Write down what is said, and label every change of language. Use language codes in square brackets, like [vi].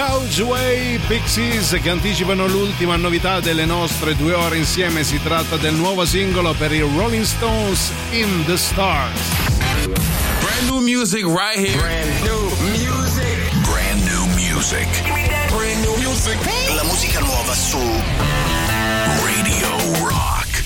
[it] Sway, Pixies, che anticipano l'ultima novità delle nostre due ore insieme. Si tratta del nuovo singolo per i Rolling Stones, In the Stars. [en] Brand new music right here. Brand new music. Brand new music. Brand new music. [it] La musica nuova su Radio Rock.